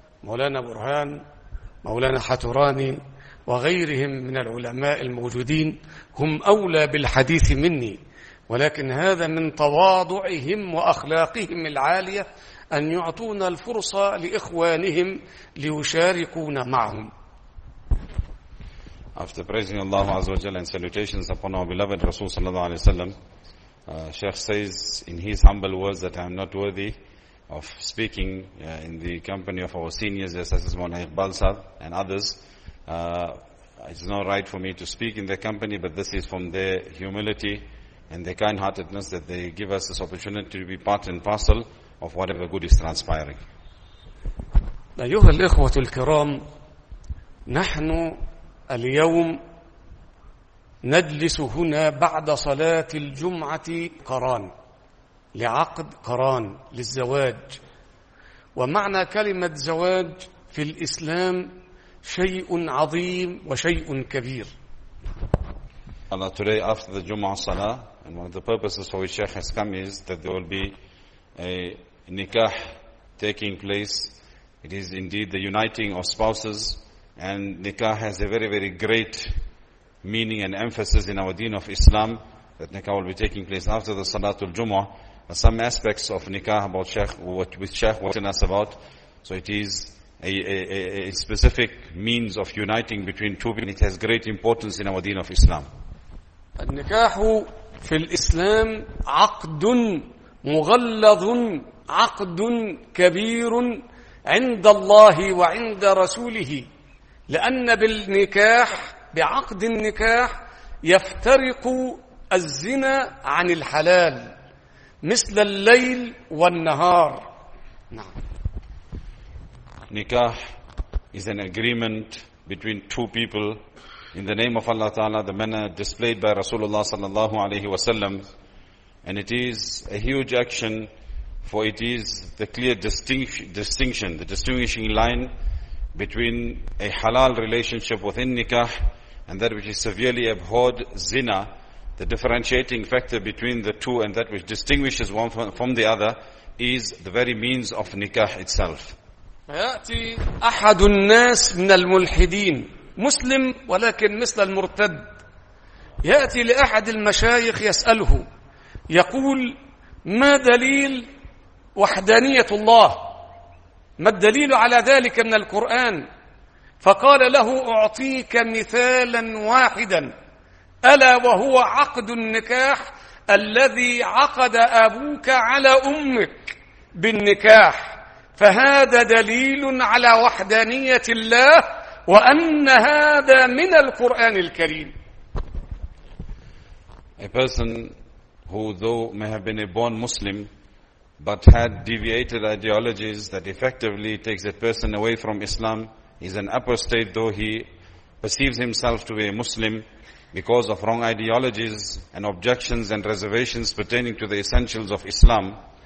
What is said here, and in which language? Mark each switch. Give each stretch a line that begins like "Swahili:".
Arabic: مولانا برهان, مولانا حتراني وغيرهم من العلماء الموجودين هم أولى بالحديث مني, ولكن هذا من تواضعهم وأخلاقهم العالية أن يعطونا الفرصة لإخوانهم ليشاركون معهم.
English: After praising Allah
Arabic: عز وجل
English: and salutations upon our beloved Rasul
Arabic: صلى الله عليه وسلم,
English: Sheikh says in his humble words that I am not worthy of speaking in the company of our seniors, as Mona Iqbal Sahib and others, It's not right for me to speak in their company, but this is from their humility and their kind-heartedness that they give us this opportunity to be part and parcel of whatever good is transpiring.
Arabic: أيها الإخوة الكرام، نحن اليوم نجلس هنا بعد صلاة الجمعة قران، لعقد قران للزواج. ومعنى كلمة زواج في الإسلام شيء عظيم وشيء كبير.
English: Allah, today after the Jum'ah Salah, and one of the purposes for which Sheikh has come is that there will be a nikah taking place. It is indeed the uniting of spouses, and nikah has a very, very great meaning and emphasis in our deen of Islam, that nikah will be taking place after the Salatul Jum'ah. Some aspects of nikah about Sheikh, which Sheikh was telling us about. So it is a specific means of uniting between two people. It has great importance in our deen of Islam.
Arabic: النكاح في الإسلام عقد مغلظ عقد كبير عند الله وعند رسوله، لأن بالنكاح بعقد النكاح يفترق الزنا عن الحلال مثل الليل والنهار. نعم.
English: Nikah is an agreement between two people in the name of Allah Ta'ala, the manner displayed by Rasulullah sallallahu alayhi wa sallam, and it is a huge action, for it is the clear distinction, the distinguishing line between a halal relationship within nikah and that which is severely abhorred, zina. The differentiating factor between the two and that which distinguishes one from the other is the very means of nikah itself.
Arabic: يأتي أحد الناس من الملحدين، مسلم ولكن مثل المرتد، يأتي لأحد المشايخ يسأله، يقول: ما دليل وحدانية الله؟ ما الدليل على ذلك من القرآن؟ فقال له: أعطيك مثالا واحدا، ألا وهو عقد النكاح الذي عقد أبوك على أمك بالنكاح، فهذا دليل على وحدانية الله وأن هذا من القرآن الكريم.
English: A person who though may have been a born Muslim but had deviated ideologies that effectively takes a person away from Islam is an apostate, though he perceives himself to be a Muslim because of wrong ideologies and objections and reservations pertaining to the essentials of Islam.